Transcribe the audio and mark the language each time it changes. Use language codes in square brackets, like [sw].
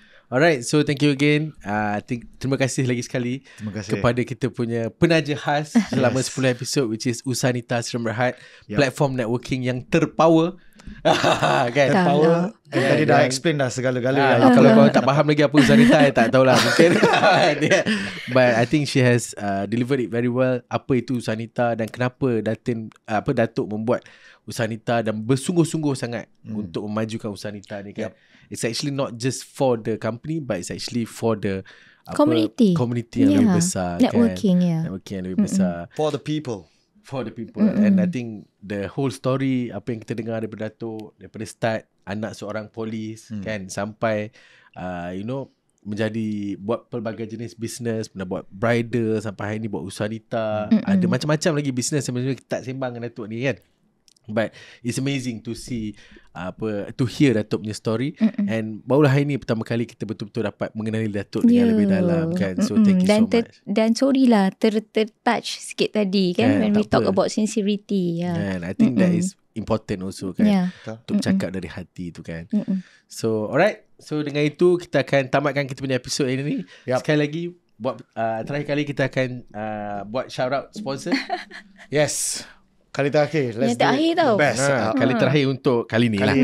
[en] Alright, so thank you again. [ms] Terima kasih lagi sekali kepada kita punya penaja khas selama 10 episod, [en] which is [ms] Usanita Seram Berhad, platform networking yang terpower. Tadi dah explain dah segala-gala. Kalau kau tak faham lagi apa Usanita, tak tahulah mungkin. [en] But I think she has delivered it very well. [ms] Apa itu Usanita dan kenapa Datuk membuat Usanita dan bersungguh-sungguh sangat untuk memajukan Usanita ni, kan? [en] It's actually not just for the company, but it's actually for the community [ms] yang lebih besar. [en] Networking, [ms] networking yang lebih besar. [en] For the people. For the people. And I think the whole story, [ms] apa yang kita dengar daripada Datuk, daripada start, anak seorang polis, sampai, menjadi buat pelbagai jenis bisnes, pernah buat bridal, sampai hari ni buat Usanita. Ada macam-macam lagi bisnes sebenarnya kita tak sembang dengan Datuk ni, kan? [en] But it's amazing to see to hear Datuk [ms] punya [en] story. [ms] And barulah hari ni pertama kali kita betul-betul dapat mengenali Datuk dengan lebih dalam, kan? [en] So thank you so much. [ms] Dan sorry lah tertouch sikit tadi, kan? [en] When we talk about sincerity. And I think that is important also, [ms] kan? Untuk cakap dari hati tu, kan? [en] So alright, [ms] so dengan itu kita akan tamatkan kita punya episode ini. Sekali lagi buat terakhir kali kita akan buat shout out sponsor. Kali terakhir. Kali terakhir untuk kali ni.